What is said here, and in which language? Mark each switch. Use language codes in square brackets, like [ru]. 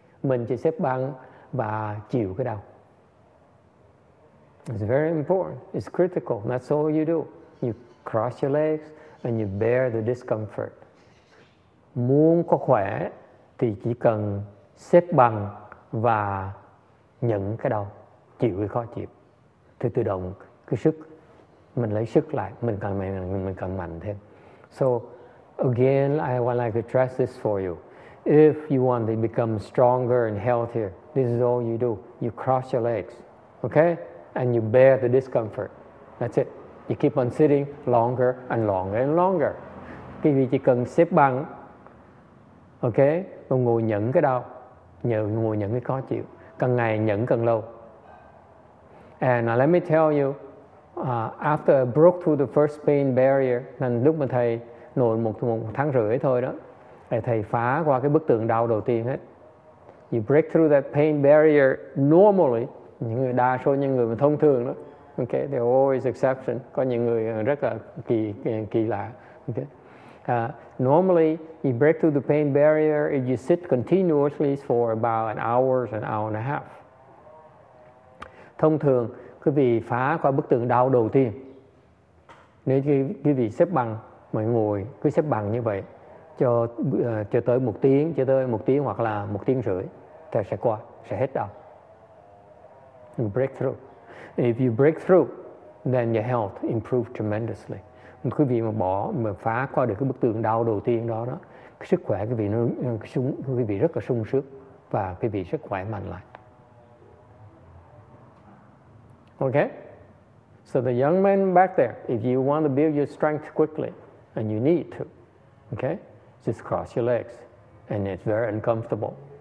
[vi] Mình chỉ xếp băng và chịu cái đau. [en] It's very important. It's critical. That's all you do. You cross your legs and you bear the discomfort. [vi] Muốn có khỏe thì chỉ cần xếp bằng và nhận cái đau, chịu cái khó chịu. Thì tự động cái sức, mình lấy sức lại, mình cần mạnh thêm. [en] So again, I would like to address this for you. If you want to become stronger and healthier, this is all you do. You cross your legs, okay? And you bear the discomfort. That's it. You keep on sitting longer and longer and longer. [vi] Cái vì chỉ cần xếp bằng, ok, mà ngồi nhận cái đau, ngồi nhận cái khó chịu, càng ngày nhận càng lâu. [en] And let me tell you, after I broke through the first pain barrier, [vi] nên lúc mà thầy nổi một tháng rưỡi thôi đó, thầy phá qua cái bức tường đau đầu tiên hết. [en] You break through that pain barrier normally, [vi] những người đa số những người mà thông thường đó, ok, [en] they're always exception, [vi] có những người rất là kỳ lạ, ok. [en] Normally, you break through the pain barrier if you sit continuously for about an hour and a half. [vi] Thông thường, quý vị phá qua bức tường đau đầu tiên. Nếu quý vị xếp bằng, mọi người cứ xếp bằng như vậy cho tới một tiếng hoặc là một tiếng rưỡi, thì sẽ qua, sẽ hết đau. [en] You break through. If you break through, then your health improves tremendously. [vi] Quý vị mà phá qua được cái bức tường đau đầu tiên đó, cái sức khỏe quý vị quý vị rất là sung sướng và quý vị rất khỏe mạnh lại. [en] Okay, so the young man back there, if you want to build your strength quickly and you need to, okay, just cross your legs and it's very uncomfortable.